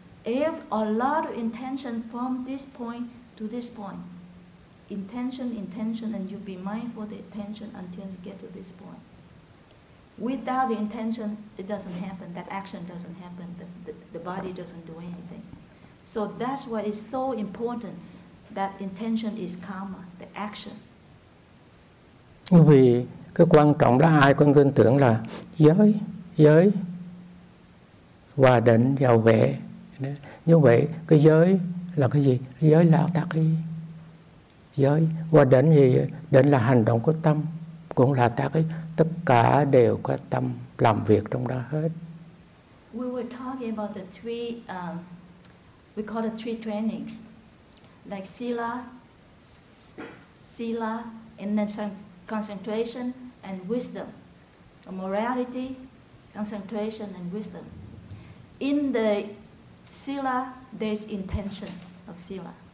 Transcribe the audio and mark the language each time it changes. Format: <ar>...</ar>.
<en>If a lot of intention from this point to this point, intention, intention, and you be mindful of the intention until you get to this point. Without the intention, it doesn't happen. That action doesn't happen. The body doesn't do anything. So that's why it's so important that intention is karma, the action.</en> <vi>Vì cái quan trọng là ai cũng tin tưởng là giới, giới hòa định, giàu vẻ. Như vậy, cái giới là cái gì? Giới là tác ý. Giới, hòa định gì? Định là hành động của tâm, cũng là tác ý. Tất cả đều có tâm làm việc trong đó hết.</vi> <en>We were talking about the three, we call it three trainings. Like sila, and then concentration and wisdom. Or morality, concentration and wisdom. In the sila, there's intention of sila.</en>